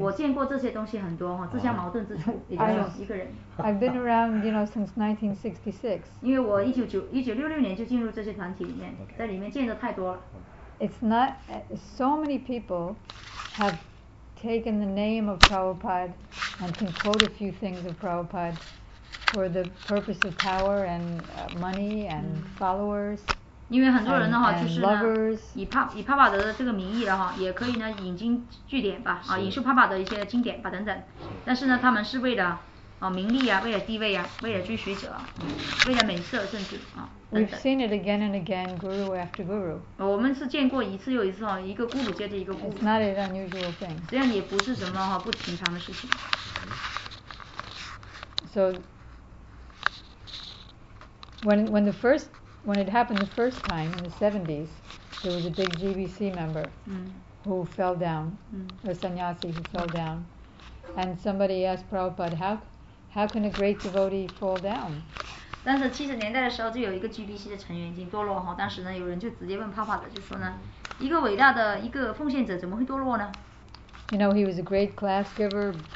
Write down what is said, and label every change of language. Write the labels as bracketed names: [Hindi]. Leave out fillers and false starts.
[Chinese] 我见过这些东西很多哈，自相矛盾之处，也就是一个人。 [English] I've been around, you know, since 1966. [Chinese] 因为我1966年就进入这些团体里面，在里面见的太多了。 [English] It's not so many people have taken the name of Prabhupada and can quote a few things of Prabhupada for the purpose of power and money and followers. [Chinese] 因为很多人的话 [English] and, [Chinese] 就是呢 以帕帕德的这个名义的话也可以呢引经据典吧啊引述帕帕德的一些经典吧等等但是呢他们是为了啊名利啊为了地位啊为了追随者为了美色甚至啊等等 [English] We've seen it again and again guru after guru [Chinese] 我们是见过一次又一次啊一个guru接着一个guru [English] It's not an unusual thing [Chinese] 这样也不是什么不寻常的事情 [English] So When it happened the first time in the 70s, there was a big GBC member who fell down, a sannyasi who fell down. And somebody asked Prabhupada, how can a great devotee fall down? [Chinese] 但是70年代的时候就有一个 GBC 的成员已经堕落哈，当时呢有人就直接问帕帕的，就说呢，一个伟大的一个奉献者怎么会堕落呢？ [English] You know, he was a great class giver,